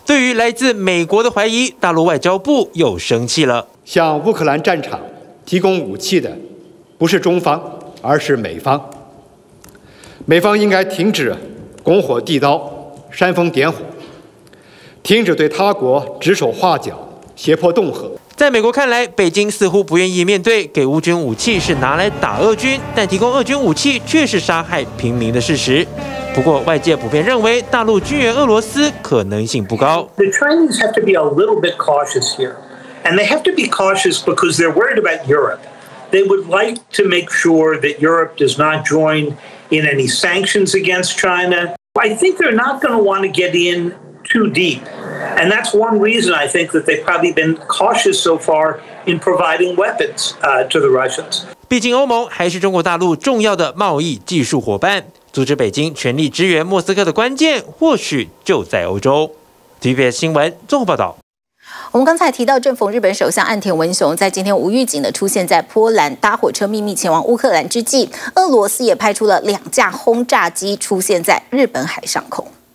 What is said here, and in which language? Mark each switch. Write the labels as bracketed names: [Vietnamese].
[Chinese] 对于来自美国的怀疑，大陆外交部又生气了。向乌克兰战场提供武器的不是中方，而是美方。美方应该停止拱火递刀、煽风点火，停止对他国指手画脚、胁迫恫吓。在美国看来，北京似乎不愿意面对给乌军武器是拿来打俄军，但提供俄军武器却是杀害平民的事实。不过，外界普遍认为大陆军援俄罗斯可能性不高。 [English] The Chinese have to be a little bit cautious here, and they have to be cautious because they're worried about Europe. They would like to make sure that Europe does not join in any sanctions against China. I think they're not going to want to get in. Too deep. And that's one reason I think that they've probably been cautious so far in providing weapons, to the Russians. [Chinese] 毕竟欧盟还是中国大陆重要的贸易技术伙伴，阻止北京全力支援莫斯科的关键或许就在欧洲。 TVBS 新闻综合报道。我们刚才提到，正逢日本首相岸田文雄在今天无预警的出现在波兰，搭火车秘密前往乌克兰之际，俄罗斯也派出了两架轰炸机出现在日本海上空。